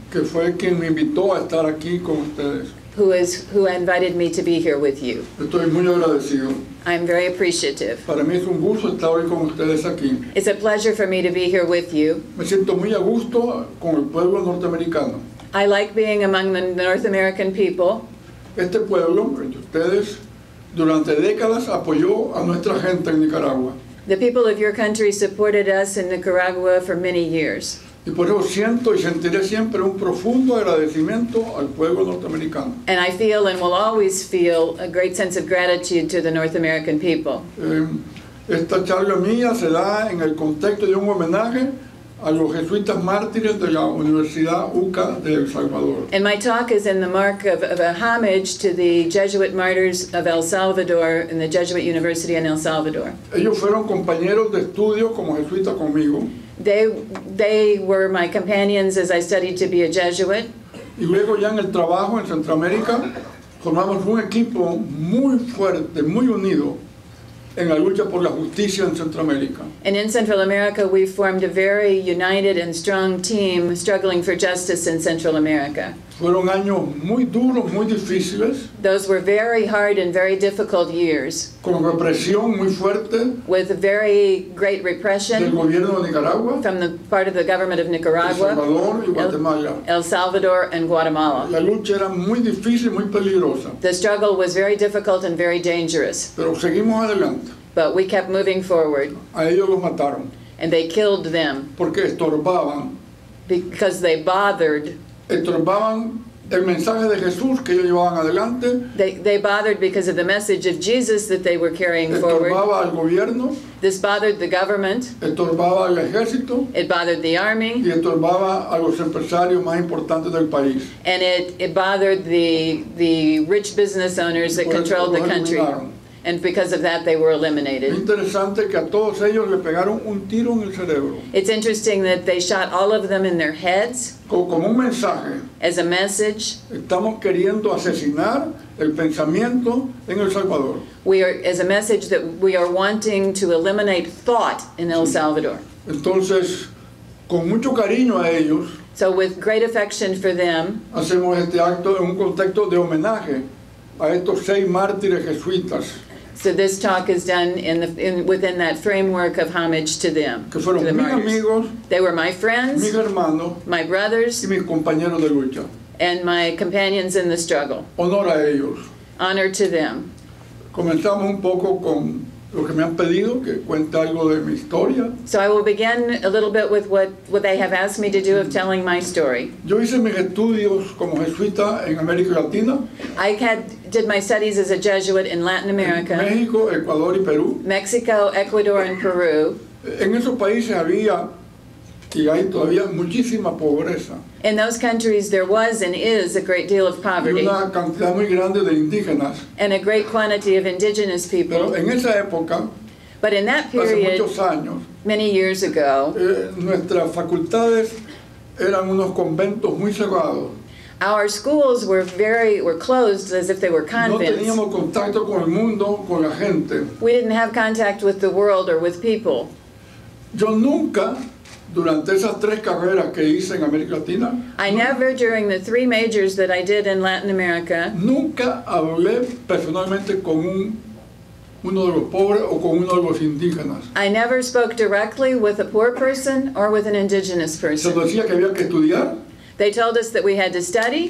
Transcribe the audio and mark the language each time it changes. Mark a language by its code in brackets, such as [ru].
[es] que fue quien me invitó a estar aquí con ustedes, [en] who invited me to be here with you. [es] Estoy muy agradecido. [en] I'm very appreciative. [es] Para mí es un gusto estar hoy con ustedes aquí. [en] It's a pleasure for me to be here with you. [es] Me siento muy a gusto con el pueblo norteamericano. [en] I like being among the North American people. [es] Este pueblo, entre ustedes, durante décadas apoyó a nuestra gente en Nicaragua. [en] The people of your country supported us in Nicaragua for many years. [es] Y por eso siento y sentiré siempre un profundo agradecimiento al pueblo norteamericano. [en] And I feel and will always feel a great sense of gratitude to the North American people. [es] Esta charla mía se da en el contexto de un homenaje a los jesuitas mártires de la Universidad UCA de El Salvador. [en] And my talk is in the mark of a homage to the Jesuit martyrs of El Salvador and the Jesuit University in El Salvador. [es] Ellos fueron compañeros de estudio como jesuitas conmigo. [en] They were my companions as I studied to be a Jesuit. [es] Y luego ya en el trabajo en Centroamérica formamos un equipo muy fuerte, muy unido en la lucha por la justicia en Centroamérica. [en] And in Central America, we formed a very united and strong team struggling for justice in Central America. [es] Fueron años muy duros, muy difíciles. [en] Those were very hard and very difficult years. [es] Con represión muy fuerte. [en] With a very great repression. [es] Del gobierno de Nicaragua. [en] From the part of the government of Nicaragua. [es] El Salvador y Guatemala. [en] El Salvador and Guatemala. [es] La lucha era muy difícil, muy peligrosa. [en] The struggle was very difficult and very dangerous. [es] Pero seguimos adelante. [en] But we kept moving forward. [es] A ellos los mataron. [en] And they killed them. [es] Porque estorbaban. [en] Because they bothered. [es] Estorbaban el mensaje de Jesús que ellos llevaban adelante. [en] They bothered because of the message of Jesus that they were carrying [es] estorbaba [en] forward. [es] Estorbaba al gobierno. [en] This bothered the government. [es] Estorbaba al ejército. [en] It bothered the army. [es] Y estorbaba a los empresarios más importantes del país. [en] And it bothered the rich business owners that controlled the country. [es] Eliminaron. [en] And because of that, they were eliminated. [es] Interesante que a todos ellos le pegaron un tiro en el cerebro. [en] It's interesting that they shot all of them in their heads. [es] Como un mensaje. [en] As a message. [es] Estamos queriendo asesinar el pensamiento en El Salvador. [en] We are, as a message, that we are wanting to eliminate thought in El Salvador. [es] Entonces, con mucho cariño a ellos. [en] So with great affection for them. [es] Hacemos este acto en un contexto de homenaje a estos seis mártires jesuitas. [en] So this talk is done within that framework of homage to them. [es] Que fueron [en] the [es] mis [en] martyrs. [es] Amigos. [en] They were my friends. [es] Mis hermanos. [en] My brothers. [es] Y mis compañeros de lucha. [en] And my companions in the struggle. [es] Honor a ellos. [en] Honor to them. [es] Comenzamos un poco con lo que me han pedido, que cuente algo de mi historia. [en] So I will begin a little bit with what they have asked me to do of telling my story. [es] Yo hice mis estudios como jesuita en América Latina. [en] I did my studies as a Jesuit in Latin America. [es] En México, Ecuador y Perú. [en] Mexico, Ecuador and Peru. [es] En esos países había y hay todavía muchísima pobreza. [en] In those countries, there was and is a great deal of poverty. [es] Y una cantidad muy grande de indígenas. [en] And a great quantity of indigenous people. [es] Pero en esa época, [en] but in that period, [es] hace muchos años, [en] many years ago, [es] nuestras facultades eran unos conventos muy cerrados. [en] Our schools were closed as if they were convents. [es] No teníamos contacto con el mundo, con la gente. [en] We didn't have contact with the world or with people. [es] Yo nunca. Durante esas tres carreras que hice en América Latina, [en] during the three majors that I did in Latin America, [es] nunca hablé personalmente con uno de los pobres o con uno de los indígenas. [en] I never spoke directly with a poor person or with an indigenous person. [es] Se decía que había que estudiar. [en] They told us that we had to study.